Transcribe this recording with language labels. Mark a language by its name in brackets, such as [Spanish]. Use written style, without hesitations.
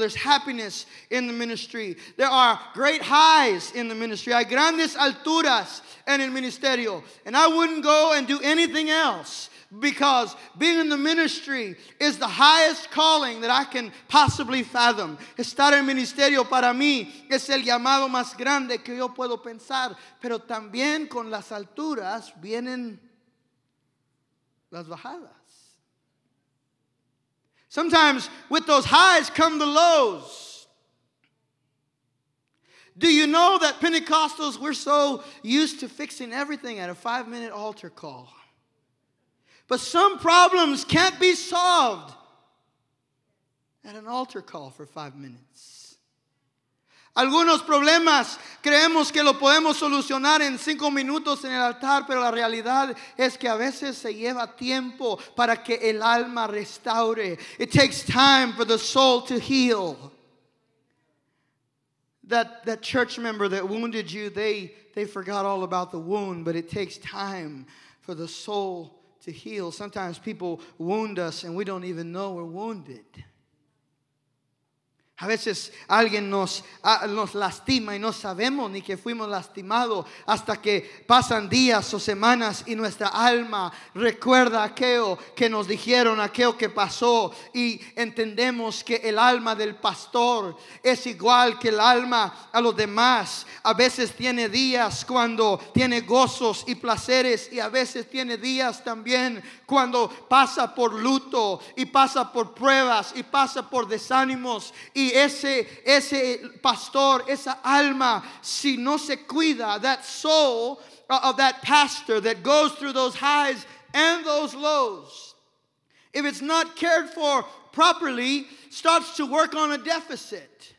[English] There's happiness in the ministry. There are great highs in the ministry. [Spanish] Hay grandes alturas en el ministerio. [English] And I wouldn't go and do anything else, because being in the ministry is the highest calling that I can possibly fathom. [Spanish] Estar en ministerio para mí es el llamado más grande que yo puedo pensar. Pero también con las alturas vienen las bajadas. [English] Sometimes with those highs come the lows. Do you know that Pentecostals, we're so used to fixing everything at a 5-minute altar call? But some problems can't be solved at an altar call for 5 minutes. [Spanish] Algunos problemas creemos que lo podemos solucionar en 5 minutos en el altar, pero la realidad es que a veces se lleva tiempo para que el alma restaure. [English] It takes time for the soul to heal. That church member that wounded you, they forgot all about the wound, but it takes time for the soul to heal. Sometimes people wound us and we don't even know we're wounded. [Spanish] A veces alguien nos lastima y no sabemos ni que fuimos lastimados hasta que pasan días o semanas y nuestra alma recuerda aquello que nos dijeron, aquello que pasó, y entendemos que el alma del pastor es igual que el alma a los demás. A veces tiene días cuando tiene gozos y placeres, y a veces tiene días también cuando pasa por luto y pasa por pruebas y pasa por desánimos. Y ese pastor, esa alma, si no se cuida, [English] that soul of that pastor that goes through those highs and those lows, if it's not cared for properly, starts to work on a deficit.